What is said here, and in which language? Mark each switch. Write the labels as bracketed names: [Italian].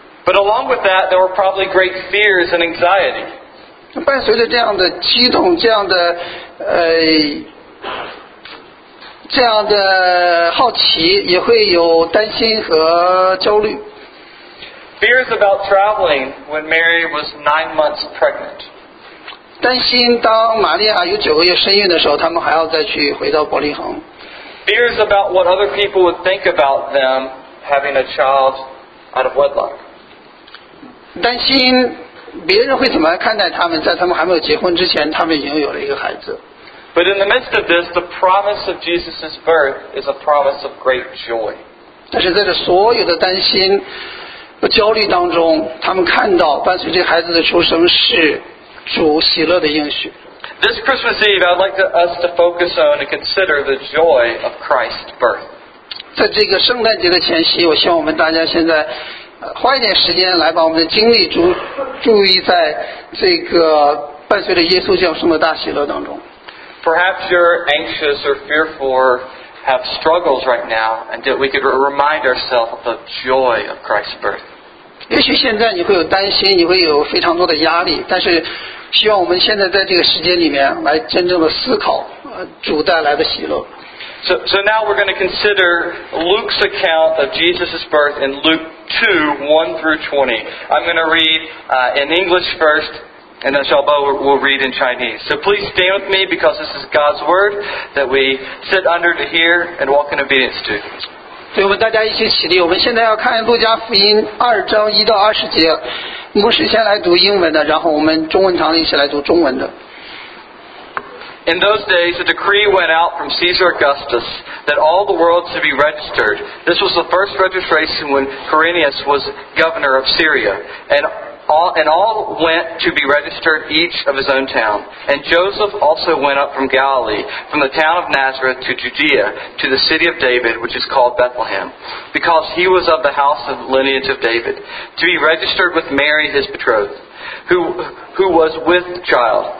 [English] But along with that, there were probably great fears and anxiety. [Chinese] 伴随着这样的激动，这样的好奇也会有担心和焦虑。 [English] Fears about traveling when Mary was 9 months pregnant. [Chinese] 担心当玛利亚有九个月身孕的时候，他们还要再去回到伯利恒。 [English] Fears about what other people would think about them having a child out of wedlock. [Chinese] 担心别人会怎么看待他们，在他们还没有结婚之前，他们已经有了一个孩子。 [English] But in the midst of this, the promise of Jesus' birth is a promise of great joy. [Chinese] 但是在这所有的担心和焦虑当中，他们看到伴随着孩子的出生是主喜乐的应许。 [English] This Christmas Eve, I'd like us to focus on and consider the joy of Christ's birth. [Chinese] 在这个圣诞节的前夕，我希望我们大家现在花一点时间来把我们的精力注意在这个伴随着耶稣降生的大喜乐当中。 [English] Perhaps you're anxious or fearful or have struggles right now and that we could remind ourselves of the joy of Christ's birth. [Chinese] 也许现在你会有担心，你会有非常多的压力，但是希望我们现在在这个时间里面来真正的思考主带来的喜乐。 [English] So now we're going to consider Luke's account of Jesus' birth in Luke 2:1-20. I'm going to read in English first. And then Xiaobo will read in Chinese. So please stand with me because this is God's word that we sit under to hear and walk in obedience to. [Chinese] 所以我们大家一起起立，我们现在要看路加福音2:1-20。牧师先来读英文的，然后我们中文堂一起来读中文的。 [English] In those days, a decree went out from Caesar Augustus that all the world should be registered. This was the first registration when Quirinius was governor of Syria. And all went to be registered each of his own town. And Joseph also went up from Galilee, from the town of Nazareth to Judea, to the city of David, which is called Bethlehem, because he was of the house of lineage of David, to be registered with Mary his betrothed, who was with the child.